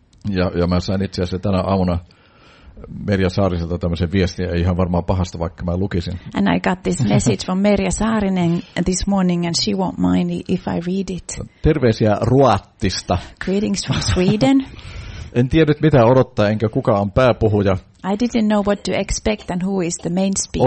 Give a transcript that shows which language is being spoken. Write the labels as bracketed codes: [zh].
[fi] Ja mä sain itse asiassa tänä aamuna Merja Saariselta tämmöisen viestin, ei ihan varmaan pahasta, vaikka mä lukisin. [en] And I got this message from Merja Saarinen this morning, and she won't mind if I read it. [fi] Terveisiä Ruotsista. [en] Greetings from Sweden. [fi] En tiedyt mitä odottaa, enkä kuka on pääpuhuja. [en] I didn't know what to expect and who is the main speaker.